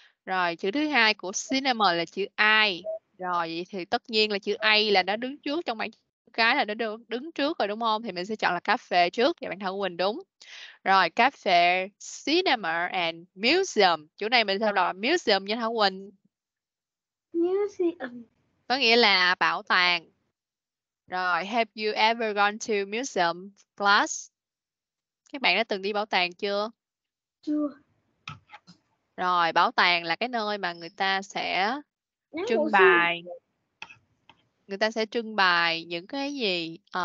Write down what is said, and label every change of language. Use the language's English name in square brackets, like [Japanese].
[Vietnamese] Rồi chữ thứ hai của cinema là chữ I. Rồi vậy thì tất nhiên là chữ A là nó đứng trước trong bảng cái là nó đứng trước rồi đúng không? Thì mình sẽ chọn là cafe trước. Vậy bạn Thảo Quỳnh đúng. [English] Rồi cafe, cinema and museum. [Vietnamese] Chỗ này mình sao đọc museum nha Thảo Quỳnh? [English] Museum. [Vietnamese] Có nghĩa là bảo tàng. [English] Rồi have you ever gone to museum class? [Vietnamese] Các bạn đã từng đi bảo tàng chưa? Chưa. Rồi, bảo tàng là cái nơi mà người ta sẽ trưng bày. Người ta sẽ trưng bày những cái gì?